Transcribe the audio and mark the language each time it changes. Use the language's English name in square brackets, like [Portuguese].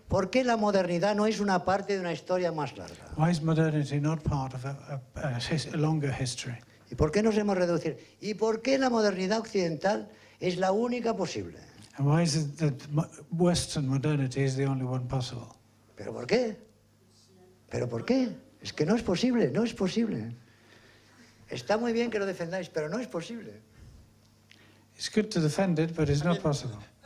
[Spanish] ¿Por qué la modernidad no es una parte de una historia más larga? [English] Why is modernity not part of a longer history? [Spanish] ¿Y por qué nos hemos reducido? ¿Y por qué la modernidad occidental es la única posible? [English] And why is it that Western modernity is the only one possible? [Spanish] ¿Pero por qué? ¿Pero por qué? Es que no es posible, no es posible. Está muy bien que lo defendáis, pero no es posible. [English] It's good to defend it, but it's not possible.